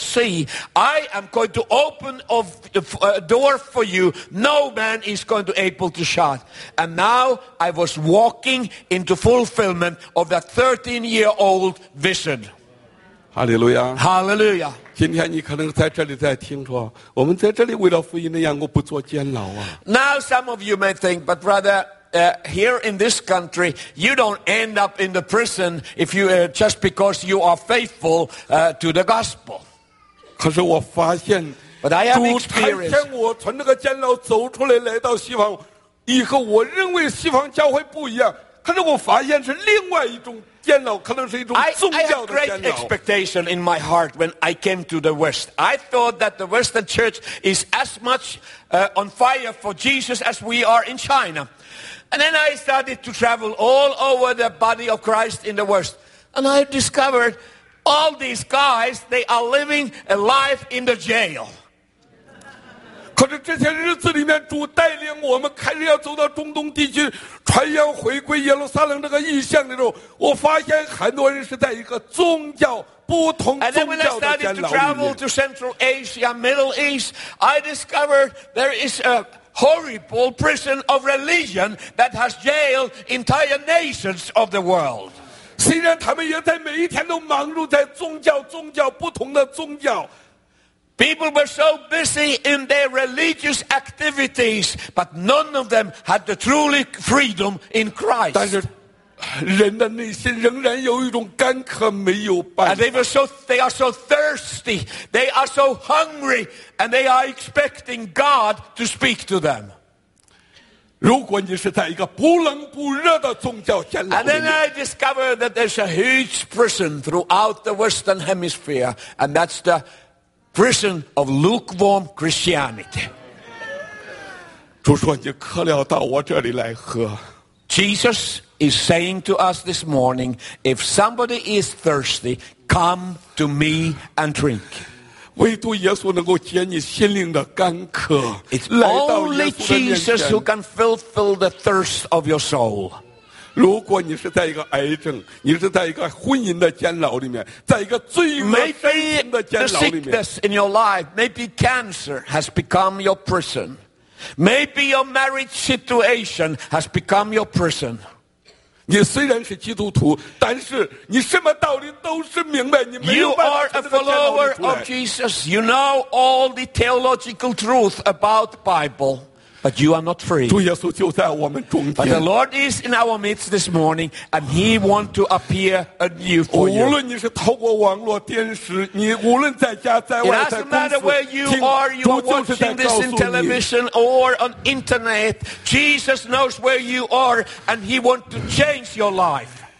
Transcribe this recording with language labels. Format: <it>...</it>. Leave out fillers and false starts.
<en>See, I am going to open a door for you. No man is going to be able to shut." And now I was walking into fulfillment of that 13-year-old vision. Hallelujah. Hallelujah.</en> <zh>今天你可能在这里在听说，我们在这里为了福音的缘故不坐监牢啊。</zh> <en>Now some of you may think, but brother,here in this country, you don't end up in the prison if you,just because you are faithful, to the gospel.</en> <zh>可是我发现</zh> <en>but I have experienced.</en> <zh>主差遣我从那个监牢走出来，来到西方，以后我认为西方教会不一样，可是我发现是另外一种监牢，可能是一种宗教的监牢。</zh> <en>I had great expectation in my heart when I came to the West. I thought that the Western Church is as much,on fire for Jesus as we are in China. And then I started to travel all over the body of Christ in the West. And I discovered all these guys, they are living a life in the jail.</en> <zh>可是这些日子里面主带领我们开始要走到中东地区传扬回归耶路撒冷这个意向的时候我发现很多人是在一个宗教不同宗教的监牢里面。</zh> <en>And then when I started to travel to Central Asia, Middle East, I discovered there is a... horrible prison of religion that has jailed entire nations of the world.</en> <zh>虽然他们也在每一天都忙碌在宗教、宗教不同的宗教。</zh> <en>People were so busy in their religious activities, but none of them had the truly freedom in Christ.</en> <zh>但是，人的内心仍然有一种干渴，没有办法。</zh> <en>And they are so thirsty, they are so hungry. And they are expecting God to speak to them.</en> <zh>如果你是在一个不冷不热的宗教监牢里面。</zh> <en>And then I discovered that there's a huge prison throughout the Western Hemisphere, and that's the prison of lukewarm Christianity.</en> <zh>主说你渴了到我这里来喝。</zh> <en>Jesus is saying to us this morning, if somebody is thirsty, come to me and drink.</en> <zh>唯独耶稣能够解你心灵的干渴</zh> <en>It's only Jesus who can fulfill the thirst of your soul.</en> <zh>如果你是在一个癌症你是在一个婚姻的监牢里面在一个罪恶深情的监牢里面</zh> <en>Maybe the sickness in your life, maybe cancer has become your prison. Maybe your marriage situation has become your prison.</en> <zh>你虽然是基督徒但是你什么道理都是明白你没有办法从这个监牢里出来</zh> <en>You are a follower of Jesus. You know all the theological truth about the Bible, but you are not free.</en> <zh>主耶稣就在我们中间。</zh> <en>But the Lord is in our midst this morning, and He wants to appear anew for you.</en> <zh>无论你是透过网络电视你无论在家在外在公司</zh> <en>It doesn't matter where you are, you are watching this in television or on internet. Jesus knows where you are, and He wants to change your life.</en>